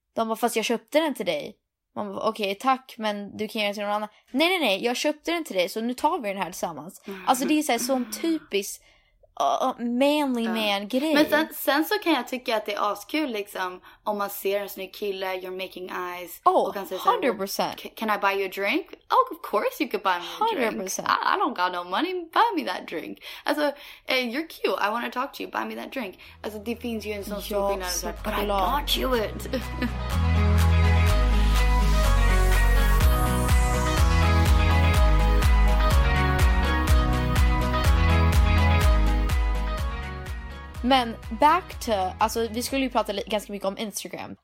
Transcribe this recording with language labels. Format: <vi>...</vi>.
<sv>De bara, fast jag köpte den till dig. Man bara, okej, okay, tack, men du kan göra det till någon annan. Nej, nej, nej, jag köpte den till dig, så nu tar vi den här tillsammans. Mm. Alltså det är såhär, sån typisk manly man-grej. Men sen så kan jag tycka att det är askul liksom, om man ser en snygg kille,</sv> <en>you're making eyes.</en> <sv>Oh, och kan säga 100%. Såhär,</sv> <en>can I buy you a drink? Oh, of course you could buy me a 100%. Drink. I don't got no money, buy me that drink. Alltså, hey, you're cute, I want to talk to you, buy me that drink.</en> <sv>Alltså det finns ju en sån stor</sv> <en>thing, but I got you it.</en> <sv>Men back to, alltså vi skulle ju prata ganska mycket om Instagram.</sv>